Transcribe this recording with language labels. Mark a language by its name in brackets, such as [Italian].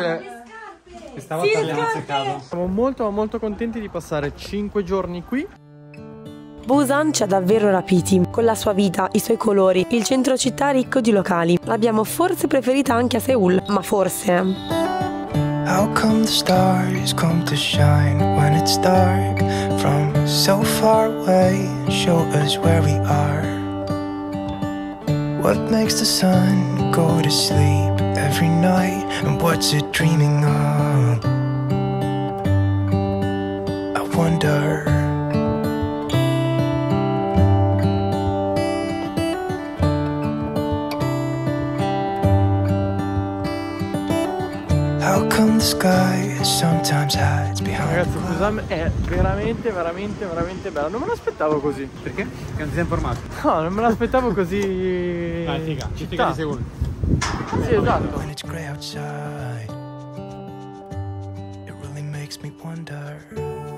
[Italian] Le scarpe. Questa volta le azzeccato. Siamo molto, molto contenti di passare 5 giorni qui. Busan ci ha davvero rapiti, con la sua vita, i suoi colori, il centro città ricco di locali. L'abbiamo forse preferita anche a Seoul, ma forse. [English] How come the stars come to shine when it's dark? From so far away, show us where we are. What makes the sun go to sleep every night? And what's it dreaming of? I wonder. [Italian] Ragazzi, Busan è veramente, veramente, veramente bella. Non me l'aspettavo così. Perché? Che non ti sei informato? No, non me l'aspettavo così. Dai, figa, ci segui. Sì, esatto. [English] When it's gray outside, it really makes me wonder.